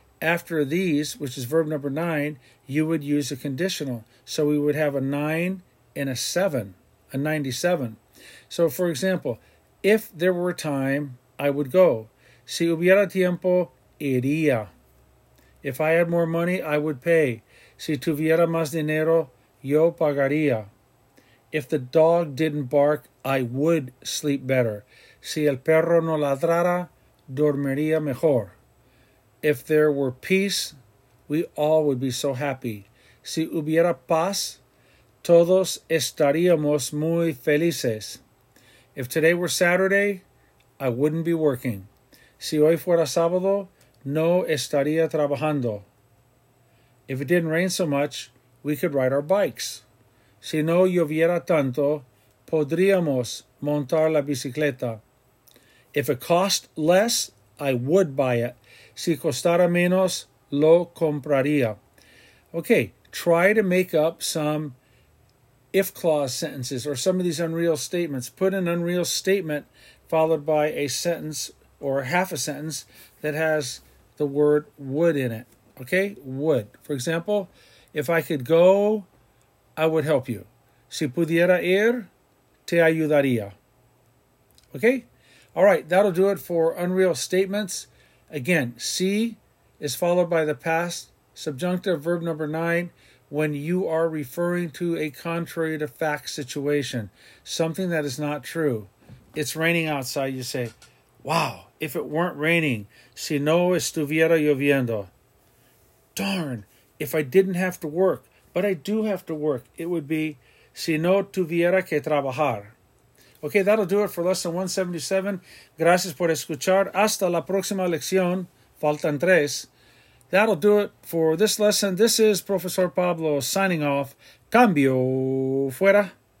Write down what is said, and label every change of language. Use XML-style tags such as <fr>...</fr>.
<en>After these, which is verb number 9, you would use a conditional. So we would have a 9 and a 7, a 97. So for example, if there were time, I would go.</en> <es>Si hubiera tiempo, iría.</es> <en>If I had more money, I would pay.</en> <es>Si tuviera más dinero, yo pagaría.</es> <en>If the dog didn't bark, I would sleep better.</en> <es>Si el perro no ladrara, dormiría mejor.</es> <en>If there were peace, we all would be so happy.</en> <es>Si hubiera paz, todos estaríamos muy felices.</es> <en>If today were Saturday, I wouldn't be working.</en> <es>Si hoy fuera sábado, no estaría trabajando.</es> <en>If it didn't rain so much, we could ride our bikes.</en> <es>Si no lloviera tanto, podríamos montar la bicicleta.</es> <en>If it cost less, I would buy it.</en> <es>Si costara menos, lo compraría.</es> <en>Okay, try to make up some if clause sentences or some of these unreal statements. Put an unreal statement followed by a sentence or half a sentence that has the word would in it. Okay, would. For example, if I could go, I would help you.</en> <es>Si pudiera ir, te ayudaría.</es> <en>Okay? All right, that'll do it for unreal statements. Again, si is followed by the past subjunctive verb number 9 when you are referring to a contrary to fact situation, something that is not true. It's raining outside, you say, wow, if it weren't raining,</en> <es>si no estuviera lloviendo.</es> <en>Darn, if I didn't have to work, but I do have to work, it would be</en> <es>si no tuviera que trabajar.</es> <en>Okay, that'll do it for lesson 177.</en> <es>Gracias por escuchar. Hasta la próxima lección. Faltan tres.</es> <en>That'll do it for this lesson. This is Professor Pablo signing off.</en> <es>Cambio fuera.</es>